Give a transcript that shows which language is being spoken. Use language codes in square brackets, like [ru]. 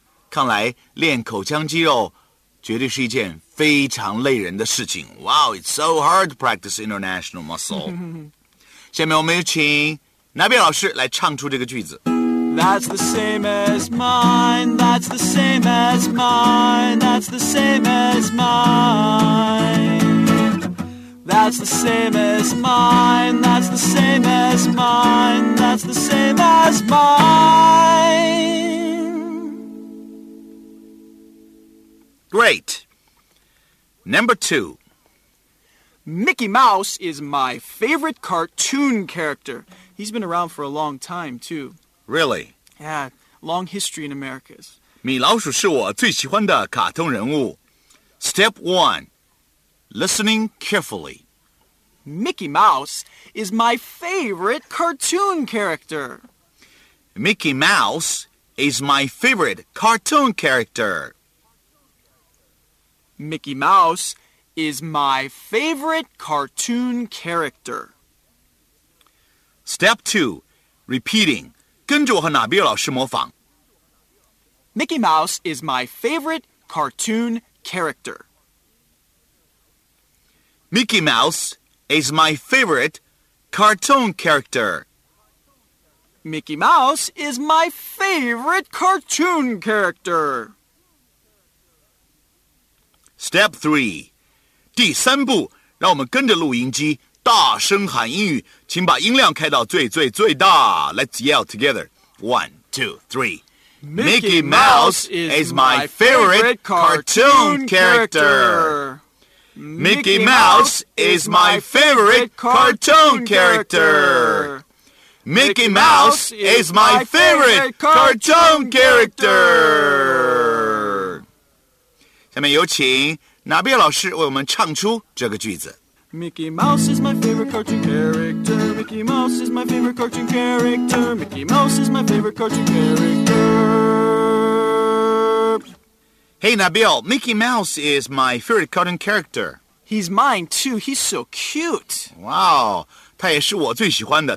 [zh] 看来练口腔肌肉绝对是一件非常累人的事情。 [en] Wow, it's so hard to practice international muscle. [zh] 下面我们有请纳比老师来唱出这个句子。 [en] That's the same as mine, that's the same as mine, that's the same as mine. That's the same as mine, that's the same as mine, that's the same as mine. Great. Number 2. Mickey Mouse is my favorite cartoon character. He's been around for a long time, too. Really? Yeah, long history in America. [zh] 米老鼠是我最喜欢的卡通人物。 [en] Step 1. Listening carefully. Mickey Mouse is my favorite cartoon character. Mickey Mouse is my favorite cartoon character. Mickey Mouse is my favorite cartoon character. Step 2. Repeating. [zh] 跟着我和纳比尔老师模仿。 [en] Mickey Mouse is my favorite cartoon character. Mickey Mouse is my favorite cartoon character. Mickey Mouse is my favorite cartoon character. Step 3, [zh] 第三步，让我们跟着录音机大声喊英语，请把音量开到最最最大。 [en] Let's yell together. 1, 2, 3. Mickey Mouse is my favorite cartoon character. Mickey Mouse is my favorite cartoon character. Mickey Mouse is my favorite cartoon character. [zh] 下面有请纳比尔老师为我们唱出这个句子。 [en] Mickey Mouse is my favorite cartoon character. Mickey Mouse is my favorite cartoon character. Mickey Mouse is my favorite cartoon character. Hey, Nabil, Mickey Mouse is my favorite cartoon character. He's mine, too. He's so cute. [zh] Wow, 他也是我最喜欢的。